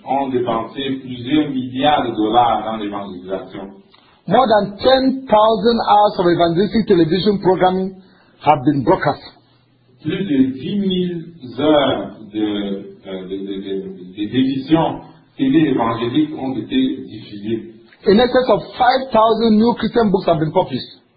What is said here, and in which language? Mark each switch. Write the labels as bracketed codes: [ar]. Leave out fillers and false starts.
[fr] Ont dépensé plusieurs milliards de dollars dans l'évangélisation. [en] More than 10,000 hours of evangelistic television programming have been broadcast. [fr] Plus de 10,000 heures de émissions télé évangéliques ont été diffusées. [en] In excess of 5,000 new Christian books have been published.